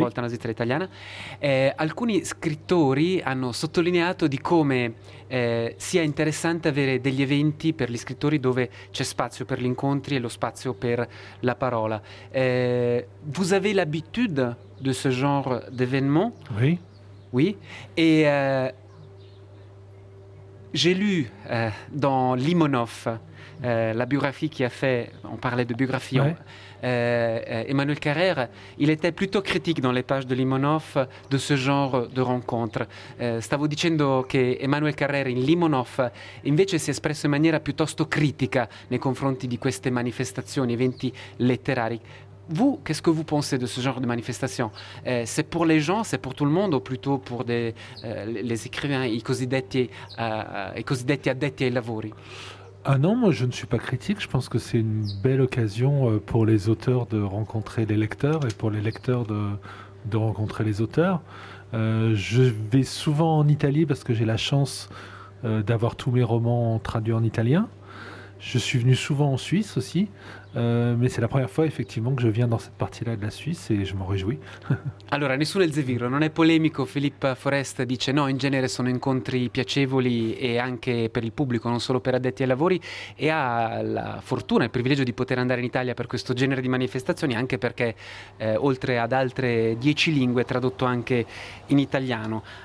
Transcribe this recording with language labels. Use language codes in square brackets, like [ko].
[it] volta nella Svizzera italiana. Alcuni scrittori hanno sottolineato di come sia interessante avere degli eventi per gli scrittori dove c'è spazio per gli incontri e lo spazio per la parola. [fr] Vous avez l'habitude de ce genre d'événement? Oui. Oui. J'ai lu dans Limonov, la biographie qu'il a fait, on parlait de biographie, Ouais. Emmanuel Carrère, il était plutôt critique dans les pages de Limonov de ce genre de rencontre. Stavo dicendo che Emmanuel Carrère in Limonov invece si è espresso in maniera piuttosto critica nei confronti di queste manifestazioni, eventi letterari. Vous, qu'est-ce que vous pensez de ce genre de manifestation? C'est pour les gens, c'est pour tout le monde, ou plutôt pour les écrivains, [it] i cosiddetti addetti ai lavori? [fr] Ah non, moi je ne suis pas critique, je pense que c'est une belle occasion pour les auteurs de rencontrer les lecteurs et pour les lecteurs de rencontrer les auteurs. Je vais souvent en Italie parce que j'ai la chance d'avoir tous mes romans traduits en italien. Je suis venu souvent en Suisse aussi, mais c'est la première fois effectivement que je viens dans cette partie-là de la Suisse et je m'en réjouis. [it] Allora, nessuno è zeviro, non è polemico. Philippe Forest dice no, in genere sono incontri piacevoli e anche per il pubblico, non solo per addetti ai lavori, e ha la fortuna e il privilegio di poter andare in Italia per questo genere di manifestazioni, anche perché oltre ad altre 10 lingue è tradotto anche in italiano.